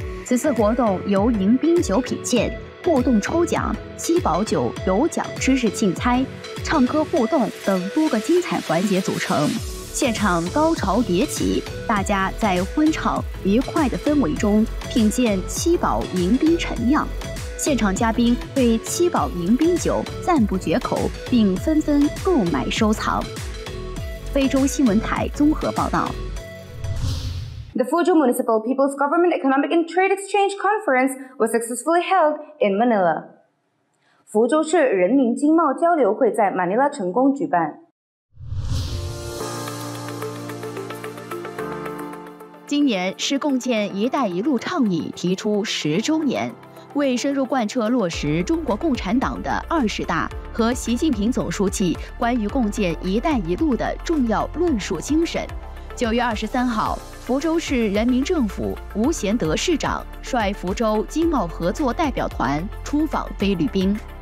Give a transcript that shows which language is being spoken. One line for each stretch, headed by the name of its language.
Chinese: 此次活动由迎宾酒品鉴、互动抽奖、七宝酒有奖知识竞猜、唱歌互动等多个精彩环节组成，现场高潮迭起，大家在欢畅愉快的氛围中品鉴七宝迎宾陈酿。现场嘉宾对七宝迎宾酒赞不绝口，并纷纷购买收藏。非洲新闻台综合报道。
English: The Fuzhou Municipal People's Government Economic and Trade Exchange Conference was successfully held in Manila.
Chinese: 福州市人民经贸交流会在马尼拉成功举办。今年是共建“一带一路”倡议提出10周年，为深入贯彻落实中国共产党的二十大和习近平总书记关于共建“一带一路”的重要论述精神，9月23号，福州市人民政府吴贤德市长率福州经贸合作代表团出访菲律宾。